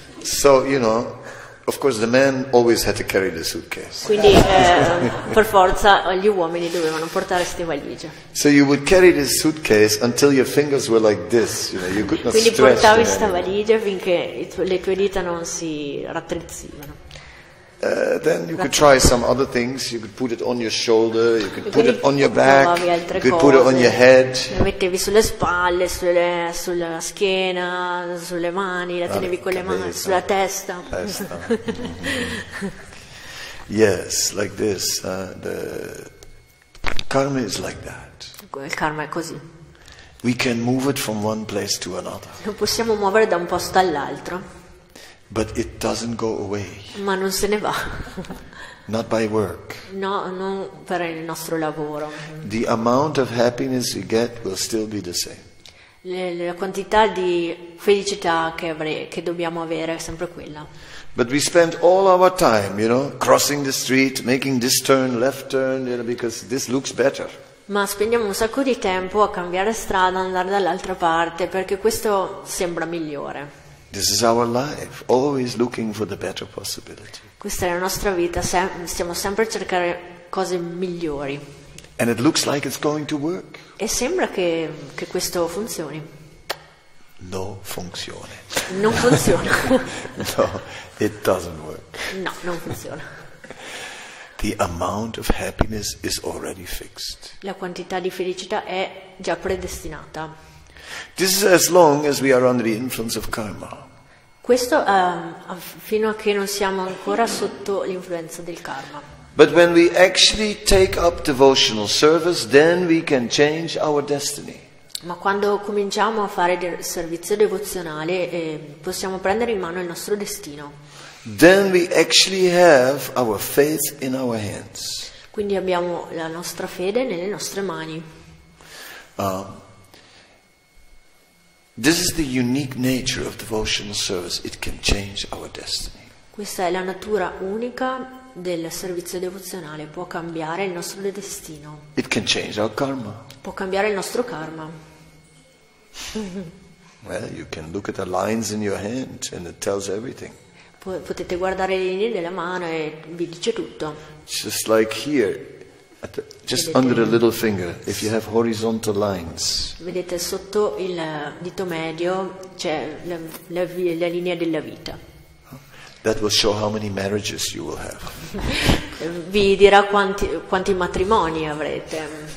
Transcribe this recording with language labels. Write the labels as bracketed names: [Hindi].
[English] So, you know, of course the man always had to carry the suitcase. [Italian] Quindi per forza gli uomini dovevano portare queste valigie. [English] So you would carry this suitcase until your fingers were like this, you know, you could not stretch. [Italian] Quindi portavi questa valigia finché le tue dita non si rattrezzivano. [English] Then you could try some other things. You could put it on your shoulder. You could put it on your back. You could put it on your head. [Italian] Le mettevi sulle spalle, sulla schiena, sulle mani. La tenevi con le mani sulla testa. [English] Yes, like this. The karma is like that. [Italian] Il karma è così. [English] We can move it from one place to another. [Italian] Lo possiamo muovere da un posto all'altro. [English] But it doesn't go away. [Italian] Ma non se ne va. [English] Not by work. [Italian] No, non per il nostro lavoro. [English] The amount of happiness we get will still be the same. [Italian] La quantità di felicità che dobbiamo avere è sempre quella. [English] But we spend all our time, you know, crossing the street, making this turn, left turn, you know, because this looks better. [Italian] Ma spendiamo un sacco di tempo a cambiare strada, andare dall'altra parte, perché questo sembra migliore. [English] This is our life, always looking for the better possibility. [Italian] Questa è la nostra vita, stiamo sempre a cercare cose migliori. [English] And it looks like it's going to work. [Italian] E sembra che questo funzioni. No, funziona. Non funziona. [English] No, it doesn't work. [Italian] No, non funziona. [English] The amount of happiness is already fixed. [Italian] La quantità di felicità è già predestinata. [English] This is as long as we are under the influence of karma. [Italian] Questo fino a che non siamo ancora sotto l'influenza del karma. [English] But when we actually take up devotional service, then we can change our destiny. [Italian] Ma quando cominciamo a fare servizio devozionale, possiamo prendere in mano il nostro destino. [English] Then we actually have our faith in our hands. [Italian] Quindi abbiamo la nostra fede nelle nostre mani. [English] This is the unique nature of devotional service. It can change our destiny. [Italian] Questa è la natura unica del servizio devozionale. Può cambiare il nostro destino. [English] It can change our karma. [Italian] Può cambiare il nostro karma. [English] Well, you can look at the lines in your hand and it tells everything. [Italian] Potete guardare le linee della mano e vi dice tutto. [English] Just like here. Just under the little finger, if you have horizontal lines. [Italian] Vedete sotto il dito medio c'è la linea della vita. [English] That will show how many marriages you will have. [Italian] Vi dirà quanti matrimoni avrete.